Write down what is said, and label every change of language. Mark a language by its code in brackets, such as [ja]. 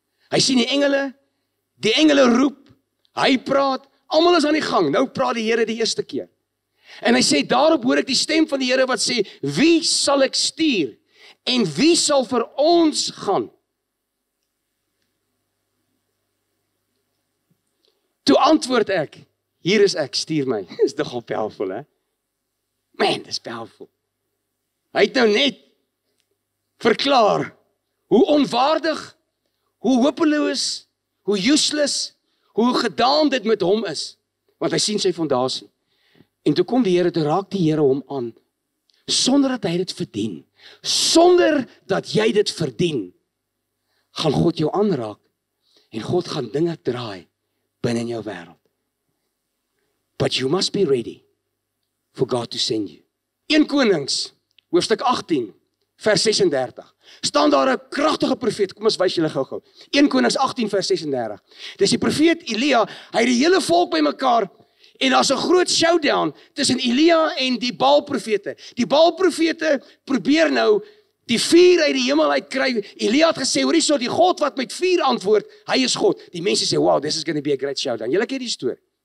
[af] Hy sien die engele roep, hy praat, almal is aan die gang, nou praat die Here die eerste keer. En hy sê, daarop hoor ek die stem van die Here wat sê, wie sal ek stuur, en wie sal vir ons gaan? Toe antwoord ek, hier is ek, stuur my. Is toch al powerful, hè? Man, dis powerful. Hy het nou net verklaar, hoe onwaardig, hoe hopeloos, hoe useless, hoe gedaan dit met hom is, want hy sien sy fondasie. En toe kom die Here, toe raak die Here hom aan, sonder dat hy dit verdien, sonder dat jy dit verdien, gaan God jou aanraak, en God gaan dinge draai, binnen jou wêreld. [en] But you must be ready, for God to send you. [af] 1 Konings, hoofstuk 18, vers 36, staan daar 'n krachtige profeet, kom ons wys julle gou-gou, 1 Konings 18 vers 36, dis die profeet Elia, hy het die hele volk by mekaar, en daar is 'n groot showdown, tussen Elia en die Baal profete, die Baal profete probeer nou, die vuur uit die hemel uit kry, Elia het gesê, hoor hierso, die God wat met vuur antwoord, hy is God, die mense sê, [en] wow, this is going to be a great showdown, [af] julle ken die story,